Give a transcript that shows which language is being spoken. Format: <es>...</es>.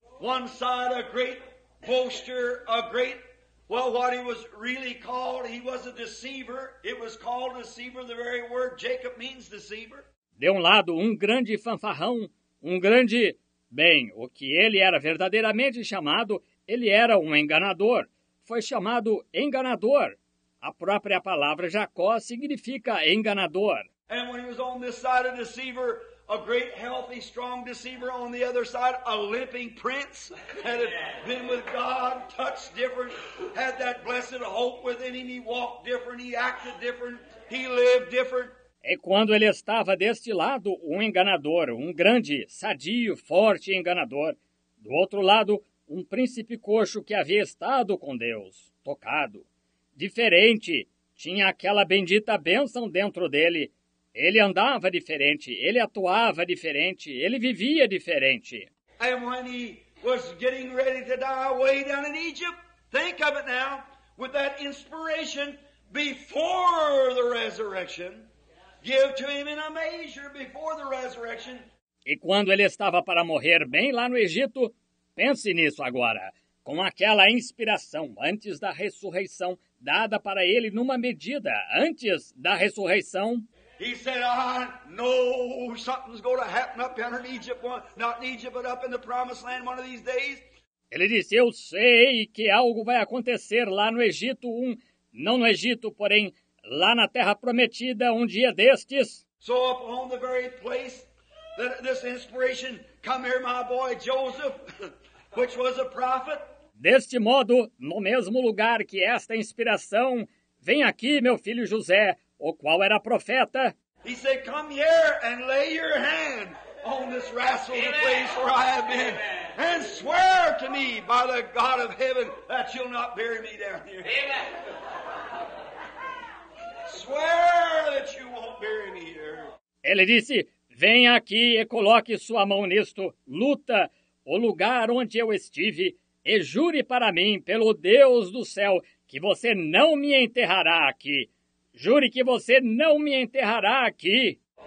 <en>One side a great boaster, a great, well, what he was really called, he was a deceiver. It was called deceiver, the very word Jacob means deceiver.</en> <pt>De um lado, um grande fanfarrão, um grande... Bem, o que ele era verdadeiramente chamado, ele era um enganador. Foi chamado enganador. A própria palavra Jacó significa enganador.</pt> <en>And when he was on this side a deceiver, a great healthy strong deceiver, on the other side a limping prince that had been with God, touched different, had that blessed hope within him, he walked different, he acted different, he lived different.</en> <pt>E quando ele estava deste lado, um enganador, um grande, sadio, forte enganador. Do outro lado, um príncipe coxo que havia estado com Deus, tocado. Diferente, tinha aquela bendita bênção dentro dele. Ele andava diferente, ele atuava diferente, ele vivia diferente. E quando ele estava</pt> <en>getting ready to die way down in Egypt, think of it now, with that inspiration before the resurrection. Give to him in a measure before the resurrection.</en> <pt>E quando ele estava para morrer bem lá no Egito, pense nisso agora, com aquela inspiração antes da ressurreição, dada para ele numa medida antes da ressurreição.</pt> <en>He said, I know something's going to happen up here in Egypt, not in Egypt, but up in the promised land one of these days.</en> <pt>Ele disse, eu sei que algo vai acontecer lá no Egito, não no Egito, porém, lá na Terra Prometida, um dia destes.</pt> <en>So upon the very place that this inspiration come here, my boy Joseph, which was a prophet.</en> <pt>Deste modo, no mesmo lugar que esta inspiração, vem aqui, meu filho José, o qual era profeta.</pt> <en>He said, come here and lay your hand on this wrestling place where I have been. And swear to me by the God of heaven that you'll not bury me down here. Amen. Swear that you won't bury me here.</en> <pt>Ele disse, venha aqui e coloque sua mão nisto. Luta o lugar onde eu estive e jure para mim, pelo Deus do céu, que você não me enterrará aqui. Jure que você não me enterrará aqui.</pt>